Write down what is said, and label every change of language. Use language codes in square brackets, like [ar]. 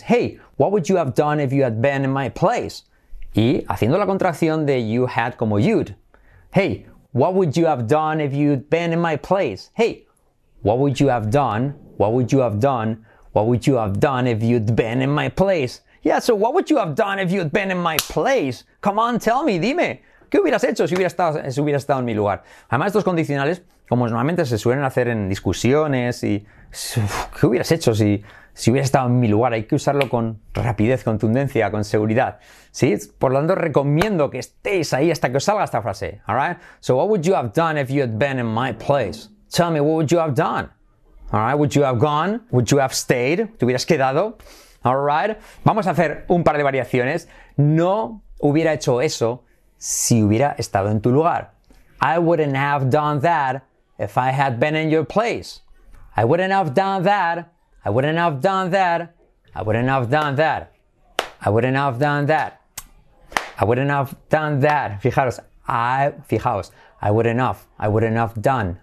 [en] Hey, what would you have done if you had been in my place? [es] Y haciendo la contracción de [en] you had como you'd. Hey, what would you have done if you'd been in my place? Hey, what would you have done? What would you have done? What would you have done if you'd been in my place? Yeah, so what would you have done if you'd been in my place? Come on, tell me, dime. [es] ¿Qué hubieras hecho si hubieras estado en mi lugar? Además, estos condicionales, como normalmente se suelen hacer en discusiones y... ¿Qué hubieras hecho si si hubiera estado en mi lugar, hay que usarlo con rapidez, contundencia, con seguridad, ¿sí? Por lo tanto, recomiendo que estéis ahí hasta que os salga esta frase, [en] all right? So what would you have done if you had been in my place? Tell me, what would you have done? All right, would you have gone? Would you have stayed? [es] ¿Te hubieras quedado? [en] All right, [es] vamos a hacer un par de variaciones. No hubiera hecho eso si hubiera estado en tu lugar. [en] I wouldn't have done that if I had been in your place. I wouldn't have done that. I wouldn't have done that. I wouldn't have done that. I wouldn't have done that. I wouldn't have done that. Fijaos. I wouldn't have. I wouldn't have done.